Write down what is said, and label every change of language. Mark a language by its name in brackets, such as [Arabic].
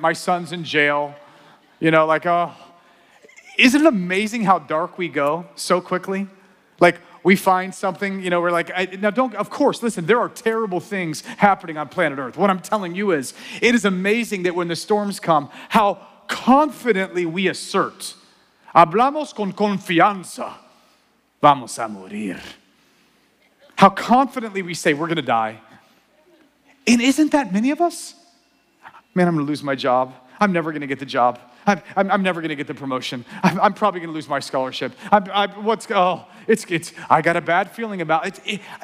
[English] My son's in jail." You know, like, oh, isn't it amazing how dark we go so quickly? Like, we find something, you know, we're like, of course, listen, there are terrible things happening on planet Earth. What I'm telling you is, it is amazing that when the storms come, how confidently we assert. [Spanish] Hablamos con confianza. Vamos a morir. [English] How confidently we say, we're going to die. And isn't that many of us? Man, I'm going to lose my job. I'm never going to get the job. I'm never going to get the promotion. I'm probably going to lose my scholarship. I got a bad feeling about it.